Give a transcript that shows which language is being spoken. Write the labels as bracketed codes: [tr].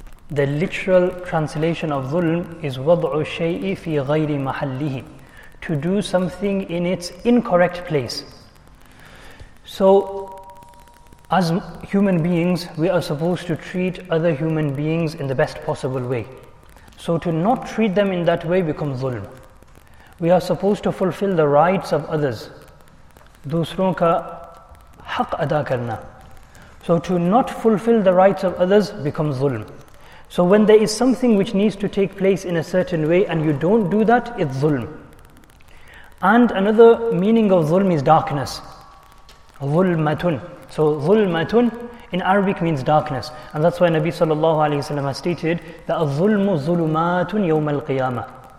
[en] The literal translation of ظلم is [ar] وَضْعُ الشَّيْءِ فِي غَيْرِ مَحَلِّهِ, [en] to do something in its incorrect place. So as human beings, we are supposed to treat other human beings in the best possible way. So to not treat them in that way becomes zulm. We are supposed to fulfill the rights of others. [ur] دوسروں کا حق ادا کرنا. [en] So to not fulfill the rights of others becomes zulm. So when there is something which needs to take place in a certain way and you don't do that, it's zulm. And another meaning of zulm is darkness. Zulmatun. So zulmatun in Arabic means darkness. And that's why Nabi sallallahu alayhi wa sallam has stated that [ar] al-zulmu zulumatun yawm al-qiyamah.